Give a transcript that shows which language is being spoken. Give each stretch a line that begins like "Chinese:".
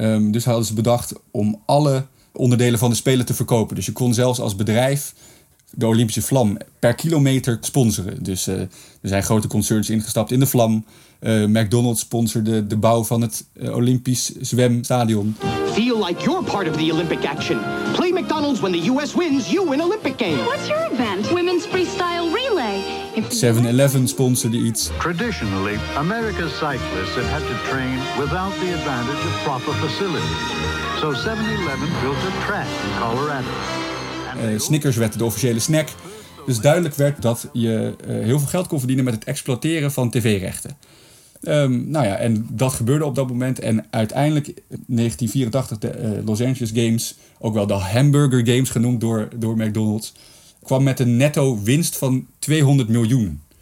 Dutch: Dus hadden ze bedacht om alle onderdelen van de Spelen te verkopen. Dus je kon zelfs als bedrijf de Olympische Vlam per kilometer sponsoren. Dus er zijn grote concerns ingestapt in de Vlam. McDonald's sponsorde de bouw van het Olympisch zwemstadion.
English: Feel like you're part of the Olympic action. Play McDonald's when the US wins, you win Olympic game. What's your event? Women's freestyle relay.
Dutch: 7-Eleven sponsorde iets.
English: Traditionally, America's cyclists have had to train without the advantage of proper facilities. So 7-Eleven built a track in Colorado.
Dutch: Snickers werd de officiële snack. Dus duidelijk werd dat je heel veel geld kon verdienen met het exploiteren van tv-rechten. En dat gebeurde op dat moment. En uiteindelijk, 1984, de Los Angeles Games, ook wel de Hamburger Games genoemd door McDonald's, kwam met een netto winst van $200 miljoen.